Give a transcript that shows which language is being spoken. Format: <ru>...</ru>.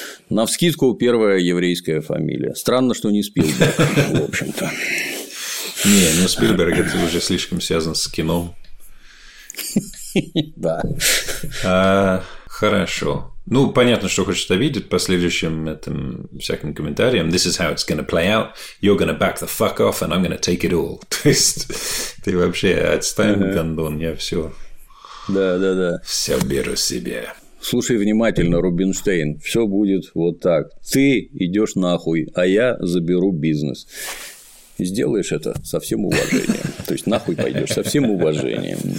<ru>Навскидку, первая еврейская фамилия. Странно, что не Спилберг, в общем-то. Не, ну Спилберг – это уже слишком связан с кино. Да. Хорошо. Ну, понятно, что хочет обидеть по следующим этим всяким комментариям.</ru> <en>This is how it's gonna play out. You're gonna back the fuck off, and I'm gonna take it all.</en> <ru>То есть, ты вообще отстань, гандон, я все. Да. Все беру себе. Слушай внимательно, Рубинштейн. Все будет вот так. Ты идешь нахуй, а я заберу бизнес. И сделаешь это со всем уважением. То есть, нахуй пойдешь со всем уважением.</ru>